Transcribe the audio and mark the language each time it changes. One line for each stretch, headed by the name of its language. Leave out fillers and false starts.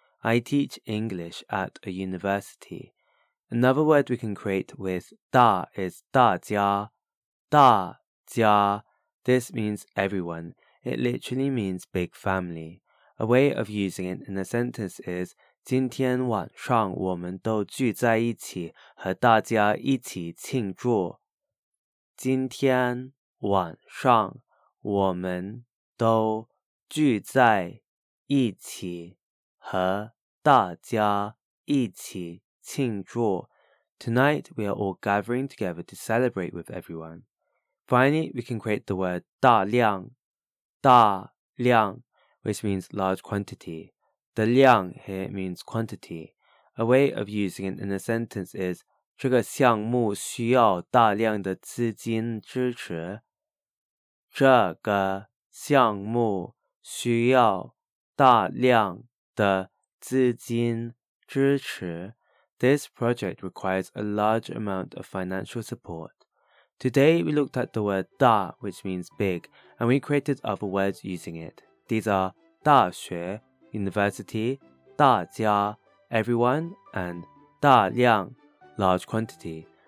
English: I teach English at a university. Another word we can create with 大 is 大家,大家. This means everyone. It literally means big family. A way of using it in a sentence is
Chinese: 今天晚上我们都聚在一起和大家一起庆祝。今天晚上我们都聚在一起和大家一起庆祝。
English: Tonight, we are all gathering together to celebrate with everyone. Finally, we can create the word 大量,大量, which means large quantity. 的量 here means quantity. A way of using it in a sentence is
Chinese: 这个项目需要大量的资金支持。这个项目需要大量的资金支持。
English: This project requires a large amount of financial support. Today, we looked at the word 大, which means big, and we created other words using it. These are 大学, university, 大家, everyone, and 大量, large quantity.